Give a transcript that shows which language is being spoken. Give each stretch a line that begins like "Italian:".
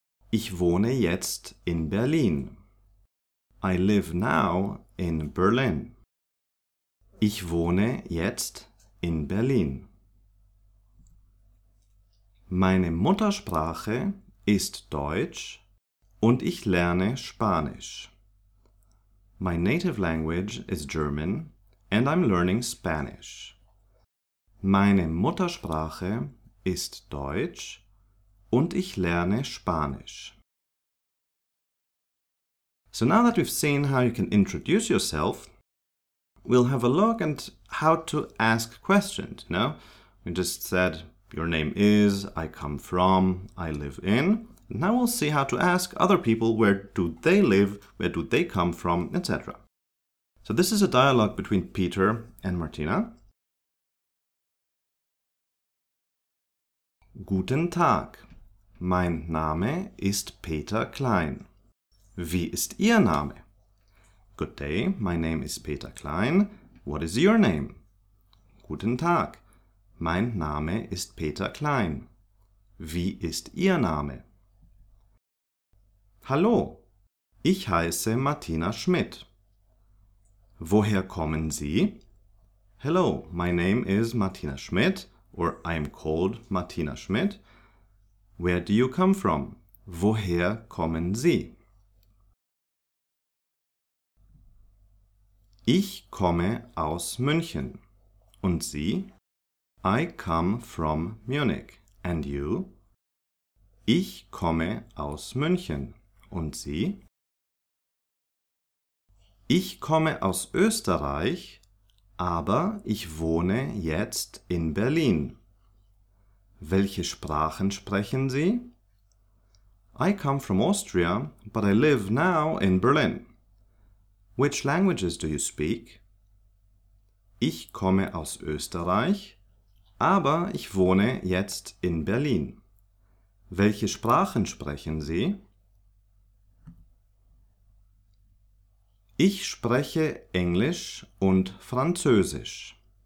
German: Ich wohne jetzt in Berlin.
English: I live now in Berlin.
German: Ich wohne jetzt in Berlin. Meine Muttersprache ist Deutsch und ich lerne Spanisch.
English: My native language is German and I'm learning Spanish.
German: Meine Muttersprache ist Deutsch und ich lerne Spanisch.
English: So now that we've seen how you can introduce yourself, we'll have a look at how to ask questions. Now, we just said your name is, I come from, I live in. Now we'll see how to ask other people where do they live, where do they come from, etc. So this is a dialogue between Peter and Martina.
German: Guten Tag, mein Name ist Peter Klein. Wie ist Ihr Name?
English: Good day, my name is Peter Klein. What is your name?
German: Guten Tag. Mein Name ist Peter Klein. Wie ist Ihr Name? Hallo. Ich heiße Martina Schmidt. Woher kommen Sie?
English: Hello, my name is Martina Schmidt, or I'm called Martina Schmidt. Where do you come from?
German: Woher kommen Sie? Ich komme aus München. Und Sie?
English: I come from Munich. And you?
German: Ich komme aus München. Und Sie? Ich komme aus Österreich, aber ich wohne jetzt in Berlin. Welche Sprachen sprechen Sie?
English: I come from Austria, but I live now in Berlin. Which languages do you speak?
German: Ich komme aus Österreich, aber ich wohne jetzt in Berlin. Welche Sprachen sprechen Sie? Ich spreche Englisch und Französisch.